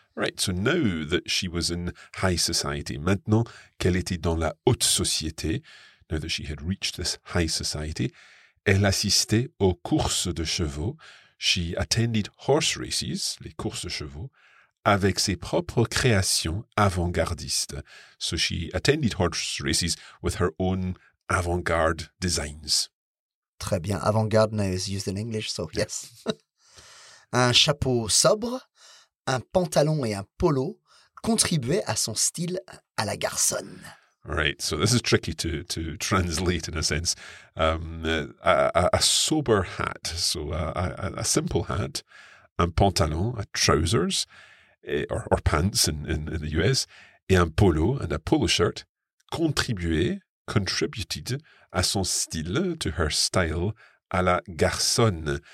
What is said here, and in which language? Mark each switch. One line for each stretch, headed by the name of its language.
English: Right, so now that she was in high society,
French: maintenant qu'elle était dans la haute société,
English: now that she had reached this high society,
French: elle assistait aux courses de chevaux.
English: She attended horse races,
French: les courses de chevaux, avec ses propres créations avant-gardistes.
English: So she attended horse races with her own avant-garde designs.
French: Très bien.
English: Avant-garde now is used in English, so yes.
French: Un chapeau sobre, un pantalon et un polo contribuaient à son style à la garçonne.
English: Right, so this is tricky to translate in a sense. A sober hat, so a simple hat,
French: un pantalon,
English: a trousers, or pants in the US,
French: et un polo,
English: and a polo shirt, contributed
French: à son style,
English: to her style,
French: à la garçonne.